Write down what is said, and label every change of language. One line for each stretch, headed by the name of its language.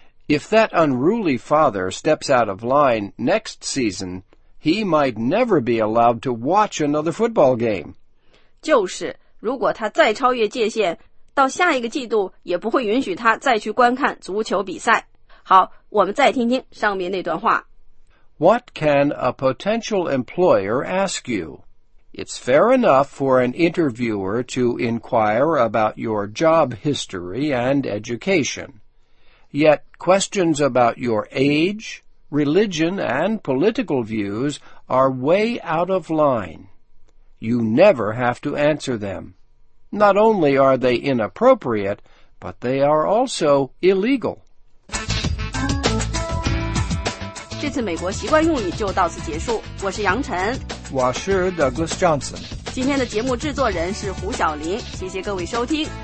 English: If that unruly father steps out of line next season, he might never be allowed to watch another football game.
Chinese: 就是如果他再超越界限，到下一个季度也不会允许他再去观看足球比赛。好，我们再听听上面那段话。
English: What can a potential employer ask you? It's fair enough for an interviewer to inquire about your job history and education. Yet questions about your age, religion, and political views are way out of line. You never have to answer them. Not only are they inappropriate, but they are also illegal.
Chinese: 这次美国习惯用语就到此结束。我是杨晨，我是 Douglas Johnson。今天的节目制作人是胡晓林，谢谢各位收听。